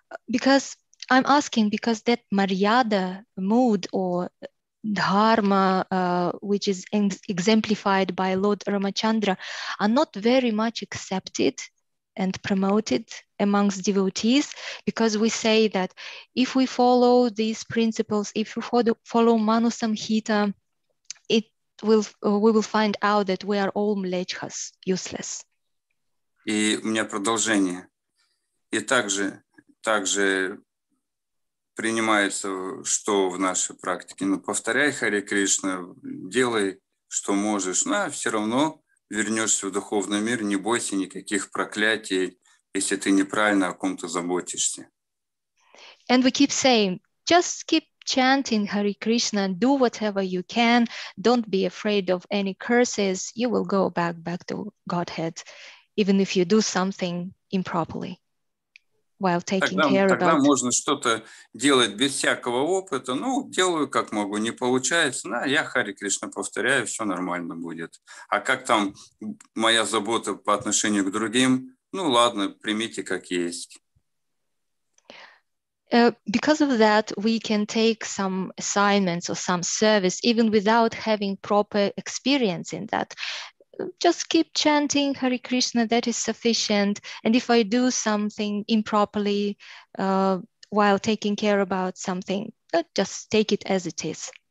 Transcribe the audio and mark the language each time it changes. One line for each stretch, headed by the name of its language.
English: Because I'm asking because that maryada mood or dharma, which is exemplified by Lord Ramachandra, are not very much accepted and promoted amongst devotees, because we say that if we follow these principles, if we follow Manu Samhita, we will find out that we are all mlechhas, useless.
Russian: И у меня продолжение. И также принимается, что в нашей практике. Ну, повторяй Харе Кришна, делай, что можешь. Но все равно вернешься в духовный мир, не бойся никаких проклятий, если ты неправильно о ком-то заботишься.
English: And we keep saying, just keep chanting Hare Krishna, do whatever you can, don't be afraid of any curses, you will go back to Godhead, even if you do something improperly while taking care about.
Russian: Тогда можно что-то делать без всякого опыта, ну, делаю как могу, не получается, на, я Hare Krishna повторяю, все нормально будет. А как там моя забота по отношению к другим, ну, ладно, примите как есть.
English: Because of that, we can take some assignments or some service even without having proper experience in that. Just keep chanting Hare Krishna, that is sufficient. And if I do something improperly while taking care about something, just take it as it is.